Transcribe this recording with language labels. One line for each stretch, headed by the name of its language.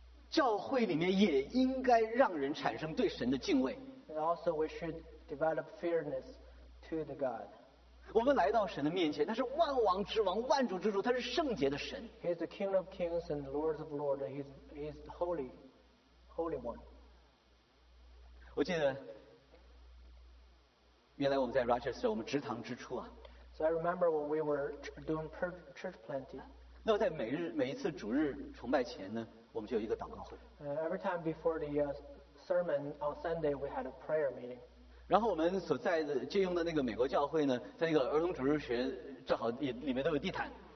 Chinese: 教会里面也应该让人产生对神的敬畏。
English: And also we should develop fearness to the God.
Chinese: 我们来到神的面前，他是万王之王，万主之主，他是圣洁的神。
English: He is the King of Kings and Lord of Lords. He is the Holy One.
Chinese: 我记得原来我们在 Rochester 我们职堂之初啊。
English: So I remember when we were doing church planting.
Chinese: 那么在每一次主日崇拜前呢，我们就有一个祷告会。
English: Every time before the sermon on Sunday, we had a prayer meeting.
Chinese: 然后我们所在的借用的那个美国教会呢，在那个儿童主日学正好也里面都有地毯。